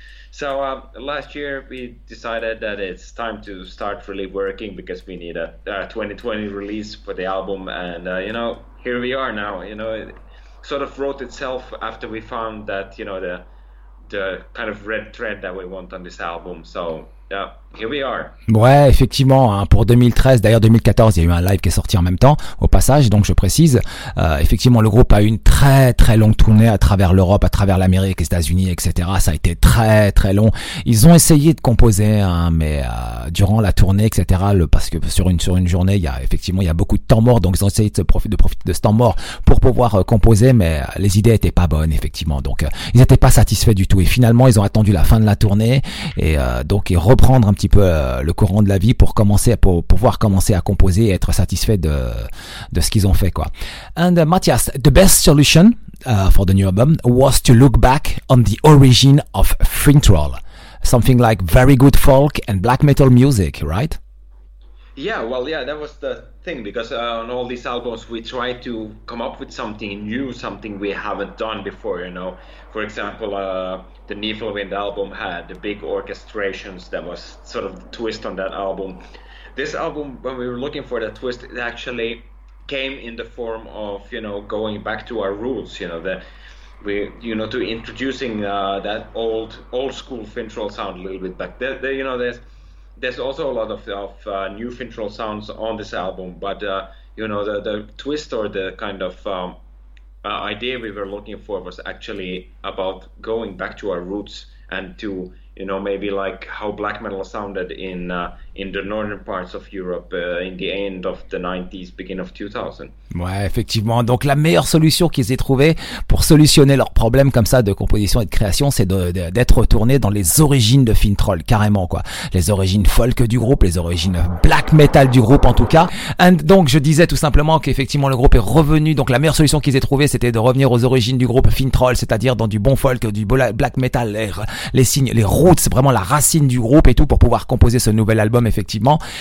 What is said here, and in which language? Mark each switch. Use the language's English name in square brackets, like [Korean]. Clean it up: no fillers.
[English] So last year we decided that it's time to start really working because we need a 2020 release for the album. And, here we are now, sort of wrote itself after we found that the kind of red thread that we want on this album. So yeah, here we are. [French] Ouais, effectivement, hein, pour 2013, d'ailleurs 2014, il y a eu un live qui est sorti en même temps, au passage, donc je précise. Effectivement, le groupe a eu une très très longue tournée à travers l'Europe, à travers l'Amérique, les États-Unis, etc. Ça a été très très long. Ils ont essayé de composer, hein, mais durant la tournée, etc. Parce que sur une journée, il y a beaucoup de temps mort, donc ils ont essayé de profiter de ce temps mort pour pouvoir composer, mais les idées étaient pas bonnes, effectivement. Donc ils étaient pas satisfaits du tout. Et finalement, ils ont attendu la fin de la tournée et reprendre un petit peu le courant de la vie pour pouvoir commencer à composer et être satisfait de ce qu'ils ont fait, quoi. [English] And Mathias, the best solution for the new album was to look back on the origin of Fintroll, something like very good folk and black metal music, right? Yeah, that was the thing, because on all these albums we try to come up with something new, something we haven't done before, For example, the Niflwind album had the big orchestrations, that was sort of the twist on that album. This album, when we were looking for that twist, it actually came in the form of, going back to our roots, to introducing that old school Fintroll sound a little bit back. There's also a lot of new Fintroll sounds on this album, but the twist or the kind of idea we were looking for was actually about going back to our roots and to, maybe like how black metal sounded in the northern parts of Europe in the end of the 90s, beginning of 2000. [French] Ouais, effectivement. Donc la meilleure solution qu'ils aient trouvée pour solutionner leur problème comme ça de composition et de création, c'est d'être retourné dans les origines de Fintroll, carrément, quoi. Les origines folk du groupe, les origines black metal du groupe en tout cas. Et donc je disais tout simplement qu'effectivement le groupe est revenu. Donc la meilleure solution qu'ils aient trouvée, c'était de revenir aux origines du groupe Fintroll, c'est-à-dire dans du bon folk, du black metal, les signes, les roots, vraiment la racine du groupe et tout, pour pouvoir composer ce nouvel album, effectivement.